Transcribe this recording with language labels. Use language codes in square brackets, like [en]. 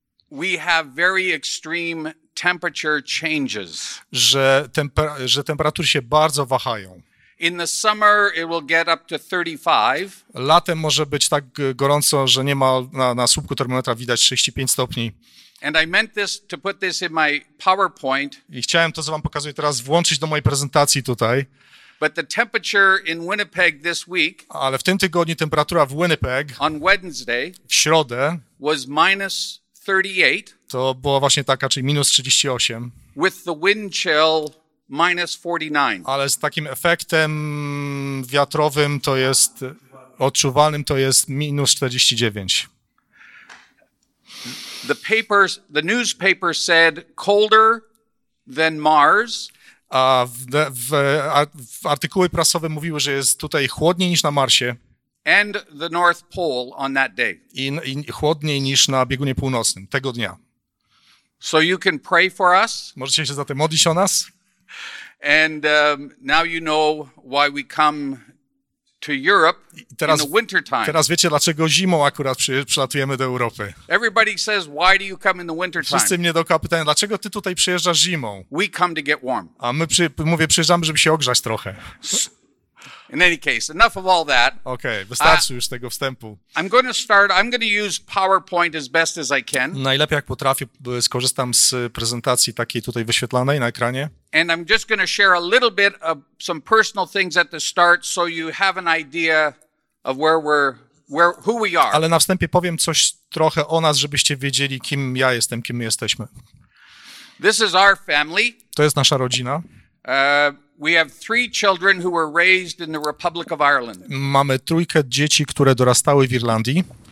[en] we have very extreme temperature changes. [pl] Że temperatury się bardzo wahają. [en] In the summer it will get up to 35. [pl] Latem może być tak gorąco, że niemal na słupku termometra widać 35 stopni. [en] And I meant this to put this in my PowerPoint. [pl] I chciałem to, co wam pokazuję teraz, włączyć do mojej prezentacji tutaj. [en] But the temperature in Winnipeg this week. [pl] Ale w tym tygodniu temperatura w Winnipeg. [en] On Wednesday. [pl] W środę. [en] Was minus 38. [pl] To była właśnie taka, czyli minus 38. [en] With the wind chill minus 49. [pl] Ale z takim efektem wiatrowym to jest odczuwalnym to jest minus 49. [en] The newspaper said colder than Mars. [pl] A w artykuły prasowe mówiły, że jest tutaj chłodniej niż na Marsie. [en] And the North Pole on that day. [pl] I chłodniej niż na biegunie północnym tego dnia. [en] So you can pray for us. [pl] Możecie się za to modlić o nas. [en] And now you know why we come to Europe [pl] teraz, [en] in the winter time. [pl] Teraz wiecie, dlaczego zimą akurat przylatujemy do Europy. [en] Everybody says, why do you come in the winter time? [pl] Wszyscy mnie dookoła pytają, dlaczego ty tutaj przyjeżdżasz zimą? [en] We come to get warm. [pl] A my przyjeżdżamy, żeby się ogrzać trochę. [en] In any case, enough of all that. [pl] Okay, wystarczy już tego wstępu. [en] I'm going to use PowerPoint as best as I can. [pl] Najlepiej jak potrafię, skorzystam z prezentacji takiej tutaj wyświetlanej na ekranie. [en] And I'm just going to share a little bit of some personal things at the start so you have an idea of who we are. [pl] Ale na wstępie powiem coś trochę o nas, żebyście wiedzieli, kim ja jestem, kim my jesteśmy. [en] This is our family. [pl] To jest nasza rodzina. [en] We have three children who were raised in the Republic of Ireland. [pl] Mamy trójkę dzieci, które dorastały w Irlandii.